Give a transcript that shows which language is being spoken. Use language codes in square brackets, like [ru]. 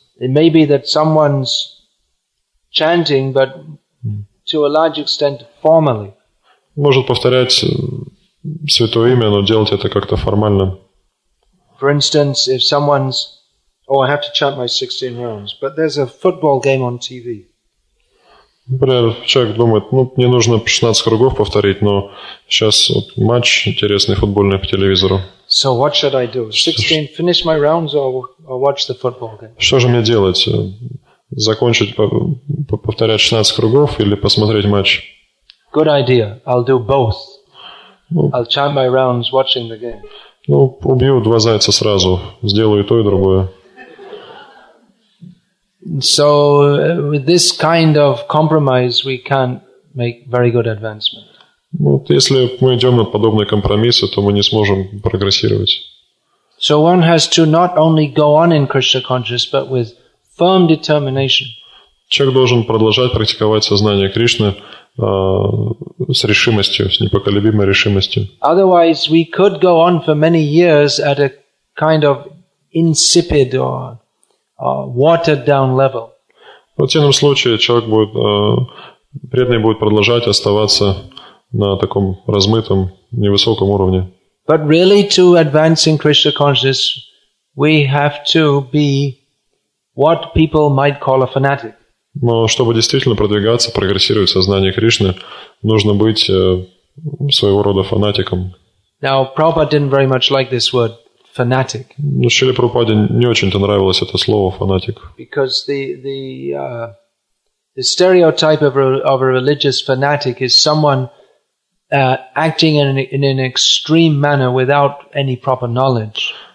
[en] It may be that someone's chanting, but to a large extent formally. [ru] Может повторять Святое Имя, но делать это как-то формально. [en] For instance, if someone's, oh, I have to chant my 16 rounds, but there's a football game on TV. [ru] Например, человек думает, ну, мне нужно 16 кругов повторить, но сейчас вот матч интересный футбольный по телевизору. [en] So what should I do? 16, finish my rounds or watch the football game? [ru] Что же мне делать? Закончить, повторять 16 кругов или посмотреть матч? [en] Good idea. I'll do both. I'll chant my rounds watching the game. [ru] Ну, убью два зайца сразу, сделаю и то, и другое. [en] So, with this kind of compromise, we can't make very good advancement. [ru] Вот если мы идем на подобные компромиссы, то мы не сможем прогрессировать. [en] So one has to not only go on in Krishna consciousness, but with firm determination. [ru] Человек должен продолжать практиковать сознание Кришны с решимостью, с непоколебимой решимостью. [en] Otherwise, we could go on for many years at a kind of insipid or watered-down level. [ru] В противном случае человек будет преданный будет продолжать оставаться на таком размытом, невысоком уровне. [en] But really to advance in Krishna consciousness, we have to be what people might call a fanatic. [ru] Но чтобы действительно продвигаться, прогрессировать в сознании Кришны, нужно быть своего рода фанатиком. [en] Now, Prabhupada didn't very much like this word fanatic. [ru] Но Шриле Прабхупаде не очень-то нравилось это слово фанатик. [en] Because the stereotype of a religious fanatic is someone acting in an extreme manner without any proper knowledge.